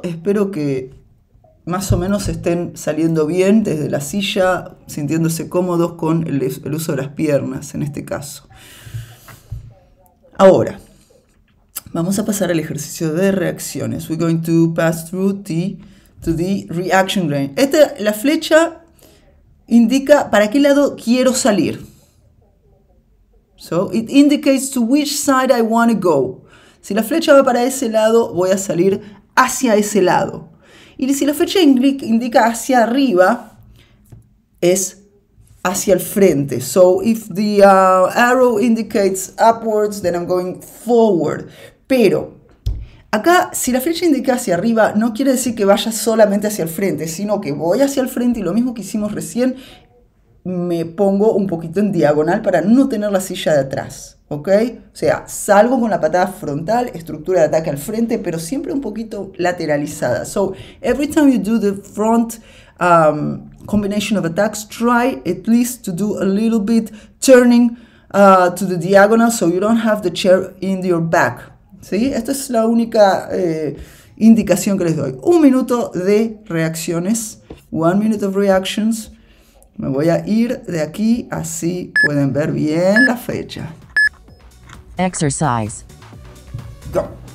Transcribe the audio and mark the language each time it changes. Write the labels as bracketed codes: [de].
[es] Espero que más o menos estén saliendo bien desde la silla, sintiéndose cómodos con el uso de las piernas en este caso. Ahora, vamos a pasar al ejercicio de reacciones. [en] We're going to pass through to the reaction line. [es] Esta, la flecha indica para qué lado quiero salir. [en] So, it indicates to which side I want to go. [es] Si la flecha va para ese lado, voy a salir hacia ese lado. Y si la flecha indica hacia arriba, es hacia el frente. [en] So, if the arrow indicates upwards, then I'm going forward. [es] Pero, acá, si la flecha indica hacia arriba, no quiere decir que vaya solamente hacia el frente, sino que voy hacia el frente y lo mismo que hicimos recién, me pongo un poquito en diagonal para no tener la silla de atrás, ¿ok? O sea, salgo con la patada frontal, estructura de ataque al frente, pero siempre un poquito lateralizada. [en] So, every time you do the front combination of attacks, try at least to do a little bit turning to the diagonal so you don't have the chair in your back, ¿sí? [es] Esta es la única indicación que les doy. Un minuto de reacciones, [en] one minute of reactions. [es] Me voy a ir de aquí, así pueden ver bien la fecha. [en] Exercise. Go.